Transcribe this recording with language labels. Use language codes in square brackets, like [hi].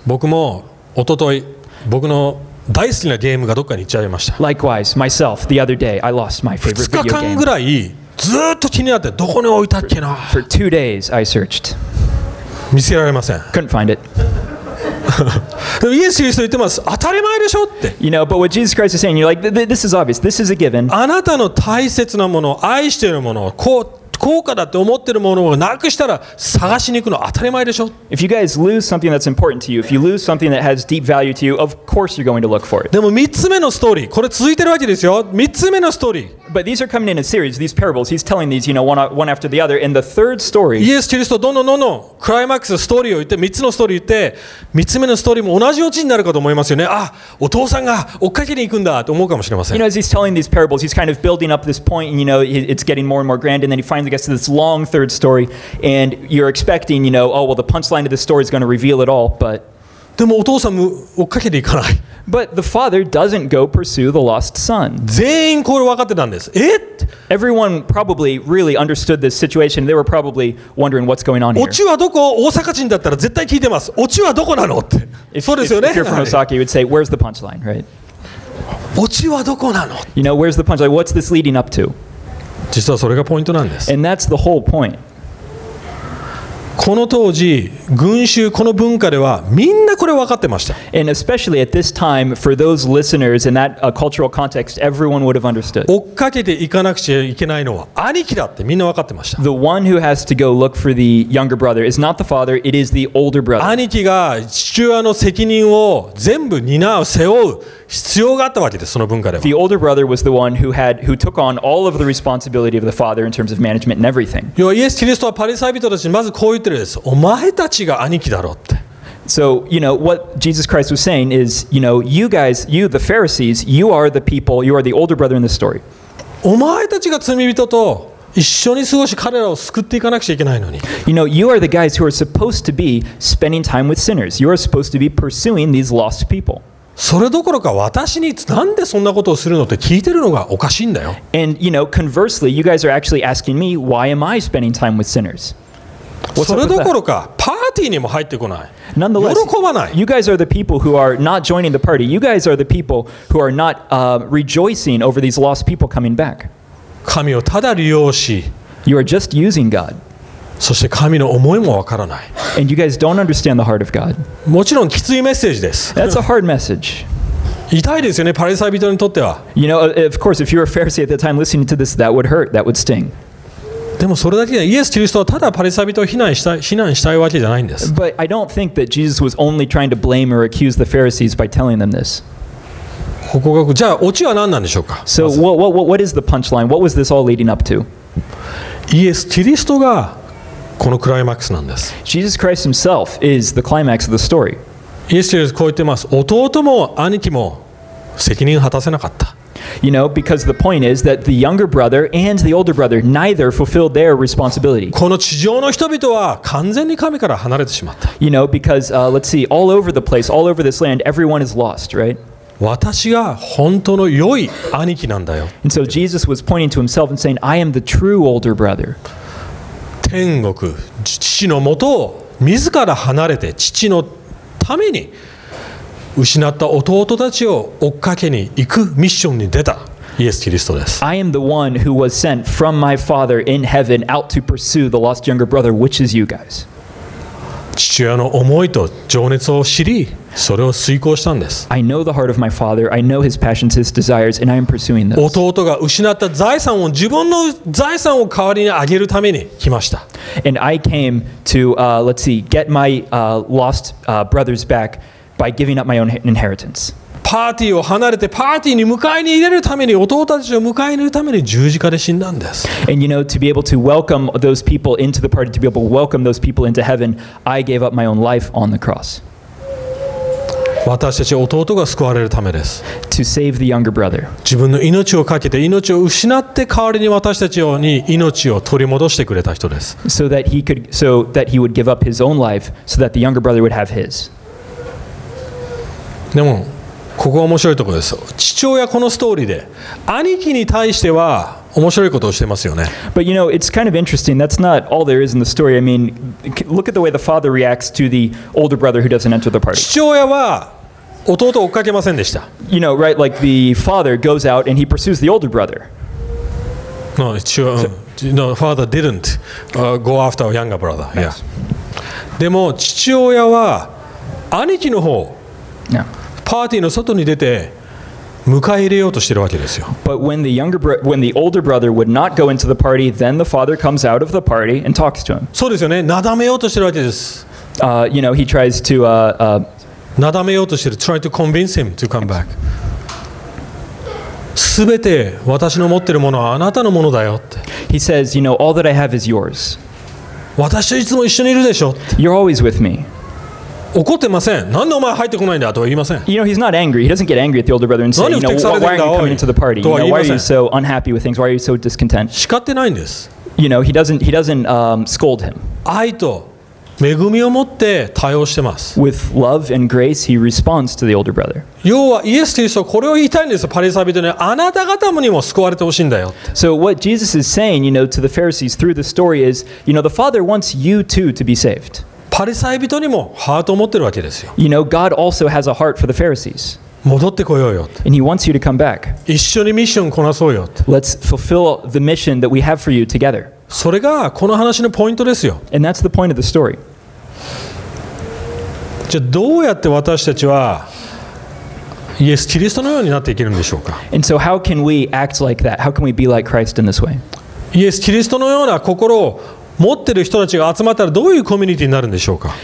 [ja] 僕も、おととい、僕の大好きなゲームがどっかに行っちゃいました。 [en] Likewise, myself, the other day, I lost my favorite video game. [ja] 2日間ぐらいずっと気になってどこに置いたっけな。 [en] For 2 days, I searched. [ja] 見つけられません。 [en] Couldn't find it. [ja] でもイエス・キリスト言ってます。当たり前でしょって。 [en] You know, but what Jesus Christ is saying, you're like, this is obvious. This is a given. [ja] あなたの大切なもの、愛しているもの、高価だって思ってるものをなくしたら探しに行くの当たり前でしょ。 [en] If you guys lose something that's important to you, if you lose something that has deep value to you, of course you're going to look for it. [ja] でも3つ目のストーリー、これ続いてるわけですよ。 3つ目のストーリー。 [en] But these are coming in a series, these parables. He's telling these, you know, one after the other. And the third story. [ja] イエス・キリスト、どんどんどんどんクライマックスストーリーを言って、3つのストーリー言って、3つ目のストーリーも同じオチになるかと思いますよね。あ、お父さんが追っかけに行くんだと思うかもしれません。 [en] You know, as he's telling these parables, he's kind of building up this point, and you know, it's getting more and more grand, and then he finally gets to this long third story, and you're expecting, you know, oh, well, the punchline of this story is going to reveal it all, but... [ja] でもお父さんも追っかけていかない。 [en] But the father doesn't go pursue the lost son. [ja] 全員これ分かってたんです。 [en] Everyone probably really understood this situation. They were probably wondering what's going on here. [ja] オチはどこ？大阪人だったら絶対聞いてます。オチはどこなのって。そうですよね。 [en] If you're from Osaka, you would say, where's the punchline, right? [ja] オチはどこなの？ [en] You know, where's the punchline? What's this leading up to? [ja] 実はそれがポイントなんです。 [en] And that's the whole point. [ja] この当時、群衆、この文化ではみんなこれ分かってました。 [en] And especially at this time, for those listeners in that cultural context, everyone would have understood. [ja] 追っかけていかなくちゃいけないのは兄貴だってみんな分かってました。 [en] The one who has to go look for the younger brother is not the father, it is the older brother. [ja] 兄貴が父親の責任を全部担う、背負う必要があったわけです、その文化では。 [en] The older brother was the one who took on all of the responsibility of the father in terms of management and everything. [ja] よ、イエス・キリストはパリサイ人たちにまずこう言ってるんです。お前たちが兄貴だろって。 [en] So, you know, what Jesus Christ was saying is, you know, you guys, you, the Pharisees, you are the people, you are the older brother in this story. [ja] お前たちが罪人と一緒に過ごし彼らを救っていかなくちゃいけないのに。 [en] You know, you are the guys who are supposed to be spending time with sinners. You are supposed to be pursuing these lost people. [ja] それどころか私になんでそんなことをするのって聞いてるのがおかしいんだよ。 [en] And you know, conversely, you guys are actually asking me, why am I spending time with sinners? [ja] それどころかパーティーにも入ってこない。 [en] Nonetheless, [ja] 喜ばない。 [en] You guys are the people who are not joining the party. You guys are the people who are not rejoicing over these lost people coming back. [ja] 神をただ利用し、 [en] You are just using God. [ja] そして神の思いもわからない。 [en] And you guys don't understand the heart of God. [ja] もちろんきついメッセージです。 [en] That's a hard message. [ja] 痛いですよね、パリサイ人にとっては。 [en] You know, of course, if you were a Pharisee at that time listening to this, that would hurt, that would sting. [ja] でもそれだけじゃない。イエス・キリストはただパリサイ人を非難したいわけじゃないんです。 [en] But I don't think that Jesus was only trying to blame or accuse the Pharisees by telling them this. [ja] ここがじゃあオチは何なんでしょうか。 [en] So what is the punchline? What was this all leading up to? [ja] イエス・キリストがこのクライマックスなんです。 [en] Jesus Christ himself is the climax of the story. [ja] イエス・キリストこう言ってます。弟も兄貴も責任を果たせなかった。 [en] You know, because the point is that the younger brother and the older brother neither fulfilled their responsibility. [ja] この地上の人々は完全に神から離れてしまった。 [en] You know, because let's see, all over the place, all over this land, everyone is lost, right? [ja] 私が本当の良い兄貴なんだよ。 [en] And so Jesus was pointing to himself and saying, I am the true older brother. [ja] 天国、父のもとを自ら離れて父のために失った弟たちを追っかけに行くミッションに出たイエス・キリストです。 [en] I am the one who was sent from my Father in heaven out to pursue the lost younger brother, which is you guys. [ja] 父親の思いと情熱を知り、それを遂行したんです。 [en] I know the heart of my father. I know his passions, his desires, and I am pursuing those. [ja] 弟が失った財産を自分の財産を代わりにあげるために来ました。 [en] And I came to, let's see, get my lost brothers back by giving up my own inheritance. [ja] パーティーを離れてパーティーに迎えに入れるために弟たちを迎えに入れるために十字架で死んだんです。 [en] And you know, to be able to welcome those people into the party, to be able to welcome those people into heaven, I gave up my own life on the cross. [ja] 私たち弟が救われるためです。 [en] To save the younger brother. [ja] 自分の命をかけて命を失って代わりに私たちに命を取り戻してくれた人です。 [en] So that he could, so that he would give up his own life, so that the younger brother would have his. [ja] でもここは面白いところです。父親このストーリーで兄貴に対しては面白いことをしてますよね。 [en] But you know, it's kind of interesting. That's not all there is in the story. I mean, look at the way the father reacts to the older brother who doesn't enter the party. [ja] 父親は弟を追っかけませんでした。 [en] You know, right? Like the father goes out and he pursues the older brother. No, no, father didn't go after a younger brother. Nice. Yeah. [ja] でも父親は兄貴の方。 [en] Yeah. [ja] パーティーの外に出て迎え入れようとしているわけですよ。 [en] But when the younger when the older brother would not go into the party, then the father comes out of the party and talks to him. [ja] そうですよね。なだめようとしているわけです。 [en] You know, he tries to [ja] なだめようとしている。 [en] Try to convince him to come back. [ja] すべて私の持っているものはあなたのものだよって。 [en] He says, you know, all that I have is yours. [ja] 私といつも一緒にいるでしょって。 [en] You're always with me. [ja] 怒ってません。なんでお前入ってこないんだとは言いません。 [en] You know, he's not angry. He doesn't get angry at the older brother and say, you know, why are you coming into the party? You know, why are you so unhappy with things? Why are you so discontent? [ja] 叱ってないんです。 [en] You know, he doesn't scold him. [ja] 愛と恵みを持って対応してます。 [en] With love and grace, he responds to the older brother. [ja] 要はイエス・キリストはこれを言いたいんです。パリサイ人にあなた方にも救われてほしいんだよ。 [en] So what Jesus is saying, you know, to the Pharisees through the story is, you know, the Father wants you too to be saved. [ja] パリサイ人にもハートを持ってるわけですよ。 [en] You know, God also has a heart for the Pharisees. [ja] 戻ってこようよって。 [en] And he wants you to come back. [ja] 一緒にミッションこなそうよって。 [en] Let's fulfill the mission that we have for you together. [ja] それがこの話のポイントですよ。 [en] And that's the point of the story. [ja] じゃあどうやって私たちはイエス・キリストのようになっていけるんでしょうか。 [en] And so how can we act like that? How can we be like Christ in this way? [ja] イエス・キリストのような心を持ってる人たちが集まったらどういうコミュニティになるんでしょうか。